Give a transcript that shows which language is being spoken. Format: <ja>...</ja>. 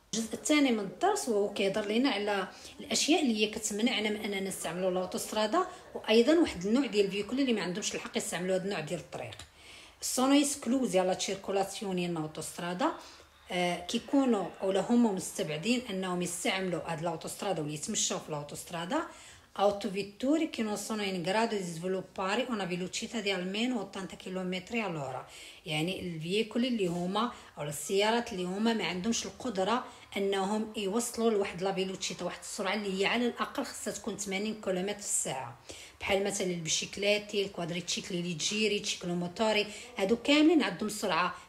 <ar>الجزء الثاني من الدرس وهو كيهضر لينا على الاشياء اللي هي كتمنعنا من اننا نستعملوا لاوتوسترادا، وايضا واحد النوع ديال الفيكول اللي ما عندهمش الحق يستعملوا هاد النوع ديال الطريق.</ar> <it>سونو اسكلوز يلا تشيركولاسيون</it> <ar>ديال لاوتوسترادا، كيكونوا اولا هما مستبعدين انهم يستعملوا هاد لاوتوسترادا ولا يتمشوا في لاوتوسترادا.</ar> <it>auto vetture che non sono in grado di sviluppare una velocità di almeno 80 km all'ora.</it> <ar>يعني الفييكول اللي هما او السيارات اللي هما ما عندهمش القدره انهم يوصلوا لواحد لا فيلوتشيتا، واحد السرعه اللي هي على الاقل خصها تكون 80 كيلومتر في الساعه. بحال مثلا البشيكلاتي، الكوادريتشيكلي، لي جيري، تشيكلو موتوري، هادو كاملين عندهم سرعه</ar>